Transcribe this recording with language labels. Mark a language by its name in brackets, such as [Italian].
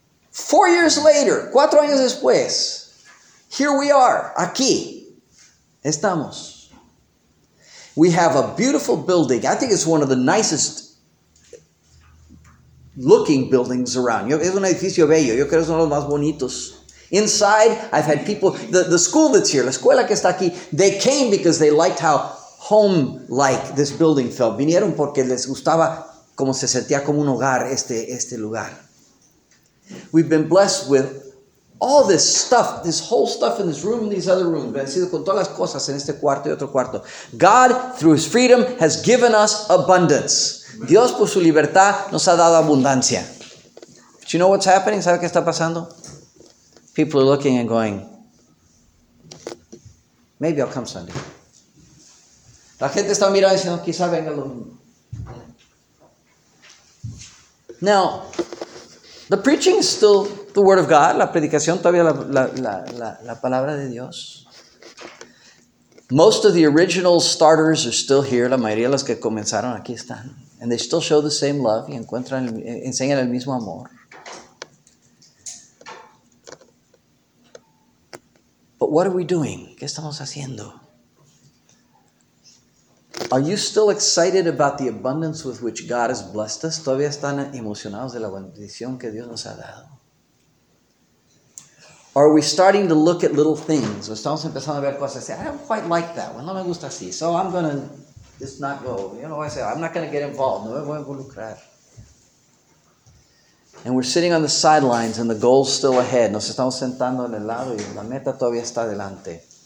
[English] 4 years later, [Spanish] 4 años después, [English] here we are, aquí. [Spanish] Estamos. [English] We have a beautiful building. I think it's one of the nicest looking buildings around. [Spanish] Es un edificio bello. Yo creo que son los más bonitos. [English] Inside, I've had people, the school that's here, [Spanish] la escuela que está aquí, [English] they came because they liked how home-like this building felt. [Spanish] Vinieron porque les gustaba como se sentía como un hogar este lugar. [English] We've been blessed with all this stuff, this whole stuff in this room and these other rooms. [Spanish] Bendecido con todas las cosas en este cuarto y otro cuarto. [English] God, through his freedom, has given us abundance. [Spanish] Dios, por su libertad, nos ha dado abundancia. [English] But you know what's happening? [Spanish] ¿Sabe qué está pasando? [English] People are looking and going, maybe I'll come Sunday. [Spanish] La gente está mirando y diciendo, quizá venga el domingo. [English] Now, the preaching is still the word of God. [Spanish] La predicación todavía la palabra de Dios. [English] Most of the original starters are still here. [Spanish] La mayoría de los que comenzaron aquí están. [English] And they still show the same love [Spanish] y encuentran, enseñan el mismo amor. [English] But what are we doing? [Spanish] ¿Qué estamos haciendo? [English] Are you still excited about the abundance with which God has blessed us? ¿Todavía están emocionados de la bendición que Dios nos ha dado? Are we starting to look at little things? [Spanish] ¿O estamos empezando a ver cosas? [English] Say, I don't quite like that one. [Spanish] No me gusta así. [English] So I'm going to just not go. You know, I say, I'm not going to get involved. [Spanish] No me voy a involucrar. [English] And we're sitting on the sidelines and the goal's still ahead. [Spanish] Nos estamos sentando en el lado y la meta todavía está adelante.